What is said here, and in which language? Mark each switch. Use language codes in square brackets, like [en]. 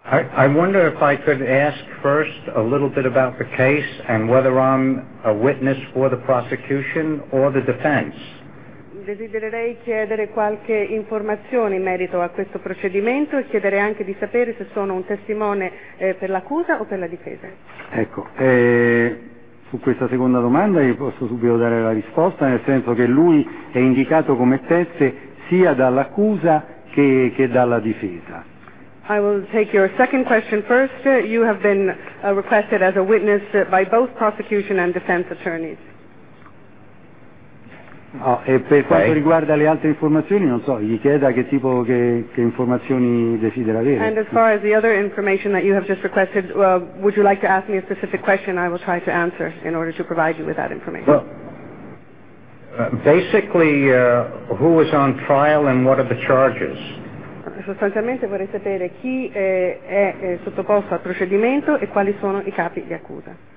[en] I wonder if I could ask first a little bit about the case and whether I'm a witness for the prosecution or the defense. [it] Desidererei chiedere qualche informazione in merito a questo procedimento e chiedere anche di sapere se sono un testimone per l'accusa o per la difesa. Ecco, su questa seconda domanda io posso subito dare la risposta, nel senso che lui è indicato come teste sia dall'accusa che dalla difesa. [en] I will take your second question first. You have been requested as a witness by both prosecution and defense attorneys. [it] Oh, e per quanto riguarda le altre informazioni, non so, gli chieda che tipo che informazioni desidera avere. [en] And as far as the other information that you have just requested, would you like to ask me a specific question? I will try to answer in order to provide you with that information. Well, basically, who was on trial and what are the charges? [it] Sostanzialmente vorrei sapere chi è sottoposto al procedimento e quali sono i capi di accusa.